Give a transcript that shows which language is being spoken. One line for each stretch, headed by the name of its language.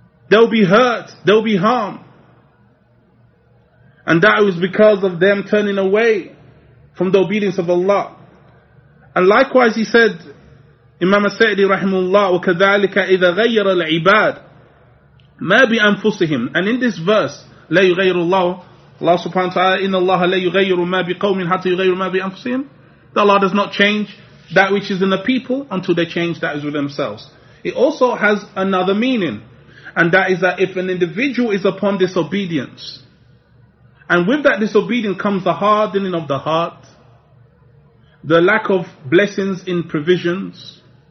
English: There will be hurt, there will be harm. And that was because of them turning away from the obedience of Allah. And likewise he said, Imam As-Sa'di rahimahullah,
Arabic: وَكَذَلِكَ إِذَا غَيَّرَ الْعِبَادِ مَا بِأَنفُسِهِمْ.
English: And in this verse,
Arabic: لَا يُغَيِّرُ اللَّهُ, Allah subhanahu wa ta'ala, إِنَّ اللَّهَ لَا يُغَيِّرُ مَا بِقَوْمٍ حَتَّى يُغَيِّرُ مَا بِأَنفُسِهِمْ.
English: That Allah does not change that which is in the people until they change that is within themselves. It also has another meaning. And that is that if an individual is upon disobedience, and with that disobedience comes the hardening of the heart, the lack of blessings in provisions.